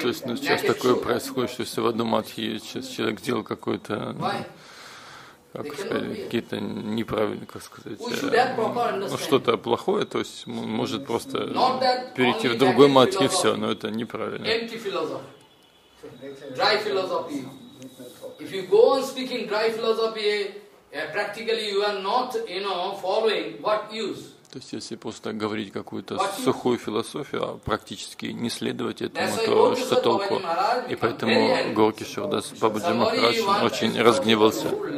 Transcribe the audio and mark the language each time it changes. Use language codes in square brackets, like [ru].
[ru] То есть, ну сейчас такое происходит, что если в одном матхе человек сделал какое-то, как сказать, какие-то неправильные, как сказать, что-то плохое, то есть может просто перейти в другой матхе и все, но это неправильно. [en] Empty philosophy, dry philosophy. If you go on speaking dry philosophy, practically you are not, you know, following what use. [ru] То есть, если просто говорить какую-то сухую философию, а практически не следовать этому, то что толку? И поэтому Горкишвардас Бабаджи Махарадж очень разгневался.